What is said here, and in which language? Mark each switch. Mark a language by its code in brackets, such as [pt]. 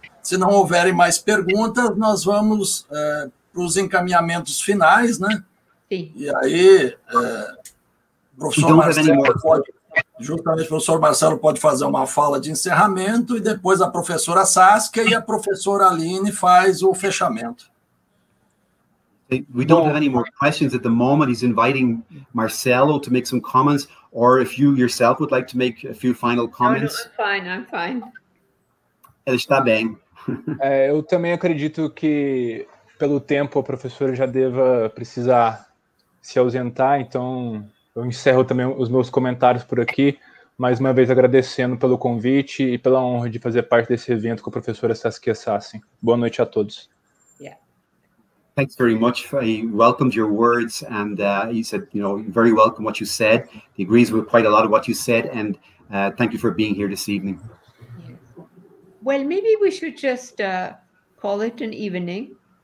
[pt] Se não houverem mais perguntas, nós vamos para os encaminhamentos finais, né? Sim. E aí, professor Marcelo pode, justamente o professor Marcelo pode fazer uma fala de encerramento, e depois a professora Saskia e a professora Aline faz o fechamento. [en] We don't have any more questions at the moment. He's inviting Marcelo to make some comments, or if you yourself would like to make a few final comments. I'm fine. [pt] Ele está bem. Eu também acredito que, pelo tempo, a professora já deva precisar se ausentar, então eu encerro também os meus comentários por aqui, mais uma vez agradecendo pelo convite e pela honra de fazer parte desse evento com a professora Saskia Sassen. Boa noite a todos. [en] Thanks very much. He welcomed your words, and he said, you know, very welcome what you said. He agrees with quite a lot of what you said, and thank you for being here this evening. Well, maybe we should just call it an evening.